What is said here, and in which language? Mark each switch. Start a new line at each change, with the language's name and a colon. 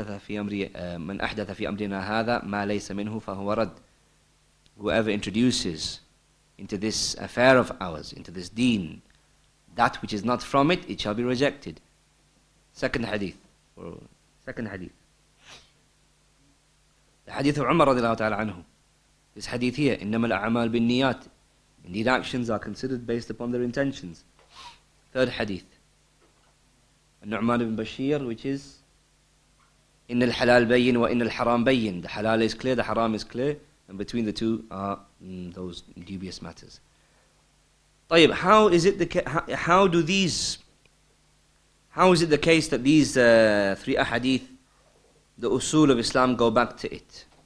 Arabic: من أحدث في أمرنا هذا ما ليس منه فهو رد.
English: Whoever introduces into this affair of ours, into this deen, that which is not from it, it shall be rejected. Second hadith. The hadith of Umar
Arabic: رضي الله تعالى عنه.
English: This hadith here,
Arabic: إنما الأعمال بالنيات.
English: Indeed, actions are considered based upon their intentions. Third hadith.
Arabic: النعمان بن بشير,
English: which is
Arabic: إن الحلال بين وإن الحرام بين.
English: The halal is clear, the haram is clear, and between the two are those dubious matters.
Arabic: طيب,
English: how is it the case that these three ahadith, the usul of Islam go back to it?